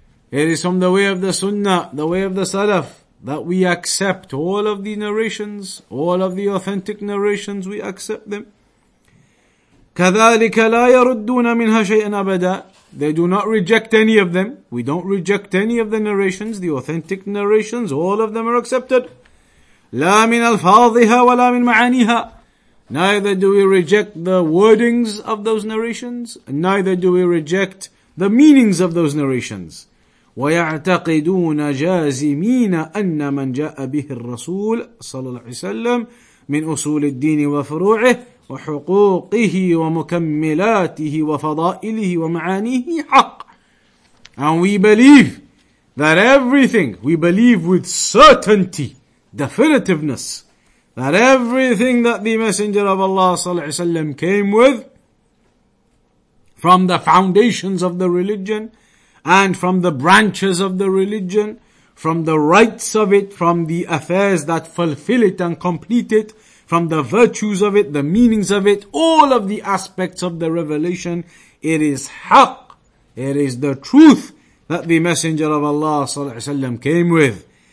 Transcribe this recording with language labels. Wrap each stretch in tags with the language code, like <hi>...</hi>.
<en>It is from the way of the sunnah, the way of the salaf, that we accept all of the narrations, all of the authentic narrations, we accept them.</en> <ar>Kadhalika la yarudduna minha shay'an abada.</ar> <en>They do not reject any of them. We don't reject any of the narrations, the authentic narrations, all of them are accepted.</en> <ar>لا من الفاظها ولا من معانيها.</ar> <en>Neither do we reject the wordings of those narrations, neither do we reject the meanings of those narrations.</en> <ar>ويعتقدون جازمين أن من جاء به الرسول صلى الله عليه وسلم من أصول الدين وفروعه وحقوقه ومكملاته وفضائله ومعانيه حق.</ar> <en>And we believe that everything, we believe with certainty, definitiveness, that everything that the Messenger of Allah sallallahu alayhi wa sallam came with, from the foundations of the religion, and from the branches of the religion, from the rights of it, from the affairs that fulfill it and complete it, from the virtues of it, the meanings of it, all of the aspects of the revelation, it is haqq, it is the truth that the Messenger of Allah sallallahu alayhi wa sallam came with.</en>